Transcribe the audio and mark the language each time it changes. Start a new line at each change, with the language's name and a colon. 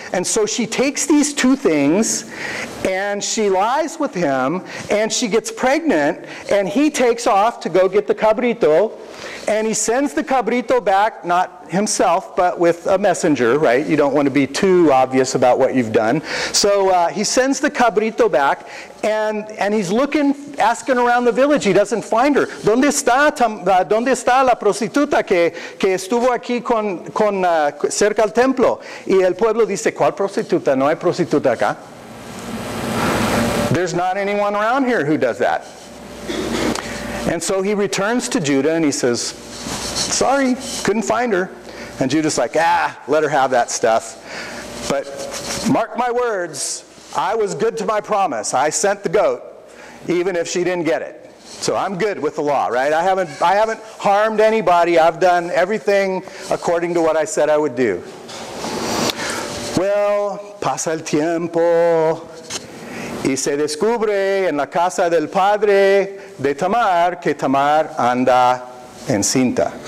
English: And so she takes these two things, and she lies with him, and she gets pregnant, and he takes off to go get the cabrito, and he sends the cabrito back, not himself, but with a messenger, right? You don't want to be too obvious about what you've done. So he sends the cabrito back, and he's looking, asking around the village. He doesn't find her.
Spanish: ¿Dónde está la prostituta que estuvo aquí con cerca al templo? Y el pueblo dice, ¿cuál prostituta? No hay prostituta acá.
English: There's not anyone around here who does that. And so he returns to Judah and he says, sorry, couldn't find her. And Judah's like, ah, let her have that stuff. But mark my words, I was good to my promise. I sent the goat, even if she didn't get it. So I'm good with the law, right? I haven't harmed anybody. I've done everything according to what I said I would do.
Spanish: Well, pasa el tiempo. Y se descubre en la casa del padre de Tamar que Tamar anda encinta.